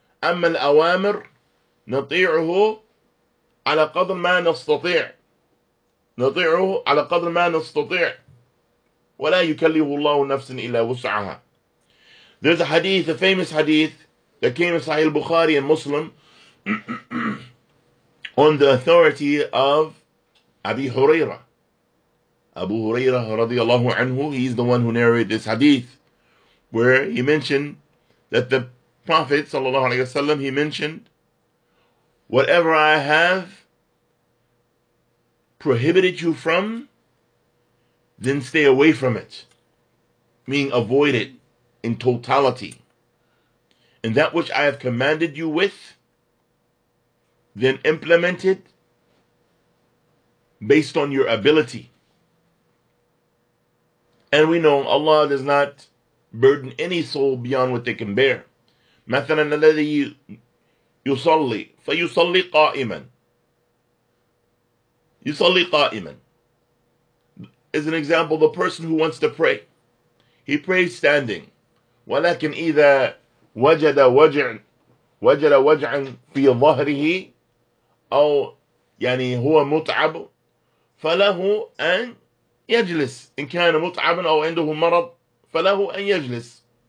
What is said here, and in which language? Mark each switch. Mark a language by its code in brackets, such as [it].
[ar] أما الأوامر نطيعه على قدر ما نستطيع، نطيعه على قدر ما نستطيع، ولا يكلف الله نفسا إلا وسعها. [en] There's a hadith, a famous hadith that came in Sahih Bukhari and Muslim on the authority of Abi Huraira. Abu Huraira radiallahu anhu, he is the one who narrated this hadith, where he mentioned that the Prophet sallallahu alayhi wasallam, he mentioned, whatever I have prohibited you from, then stay away from it, meaning avoid it in totality. And that which I have commanded you with, then implement it based on your ability. And we know Allah does not burden any soul beyond what they can bear. [ar] مثلا الذي يصلي فيصلي قائما. يصلي قائما. [en] As an example, the person who wants to pray, he prays standing. [ar] ولكن إذا وجد وجعا في ظهره أو يعني هو متعب فله أن يجلس. إن كان متعبا أو عنده مرض فله أن يجلس.